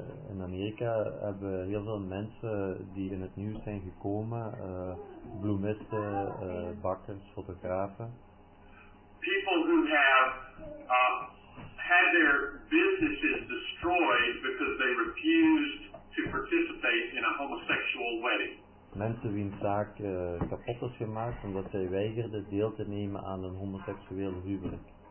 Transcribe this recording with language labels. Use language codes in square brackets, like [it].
[nl] In Amerika hebben heel veel mensen die in het nieuws zijn gekomen, bloemisten, bakkers, fotografen. [en] People who have had their businesses destroyed because they refused to participate in a homosexual wedding. [nl] Mensen wiens zaak kapot is gemaakt omdat zij weigerden deel te nemen aan een homoseksueel huwelijk.